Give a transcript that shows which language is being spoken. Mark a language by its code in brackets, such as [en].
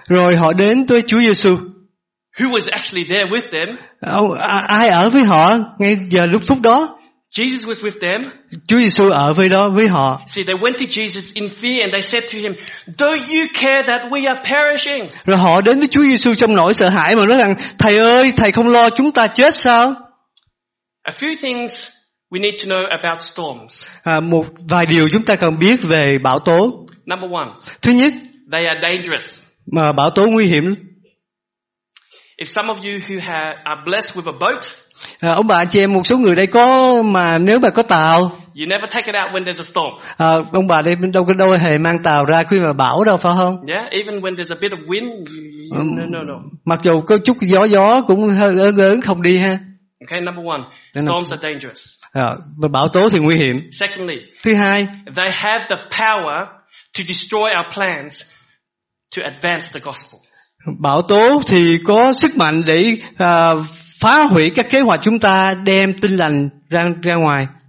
[vi] Rồi họ đến tới Chúa Giêsu. [en] Who was actually there with them? [vi] Ai ở với họ ngay giờ lúc phút đó? [en] Jesus was with them. [vi] Chúa Giêsu ở với đó với họ. [en] See, they went to Jesus in fear and they said to him, "Don't you care that we are perishing?" [vi] Rồi họ đến với Chúa Giêsu trong nỗi sợ hãi mà nói rằng, "Thầy ơi, thầy không lo chúng ta chết sao?" [en] A few things we need to know about storms. [vi] Một vài điều chúng ta cần biết về bão tố. [en] Number one. [vi] Thứ nhất, [en] they are dangerous. [vi] Mà bão tố nguy hiểm. [en] If some of you who are blessed with a boat. [vi] Ông bà chị em một số người đây có mà nếu mà có tàu. [en] You never take it out when there's a storm. [vi] Ông bà đây đâu hề mang tàu ra khi mà bão đâu phải không? [en] Yeah, even when there's a bit of wind. No. [vi] Mặc dù có chút gió cũng hơi ớn không đi ha. [en] Okay, number one, storms are dangerous. [vi] Bão tố thì nguy hiểm. [en] Secondly, [vi] thứ hai, [en] they have the power to destroy our plans to advance the gospel. [vi] Bão tố thì có sức mạnh để phá hủy các kế hoạch chúng ta đem tin lành ra ngoài.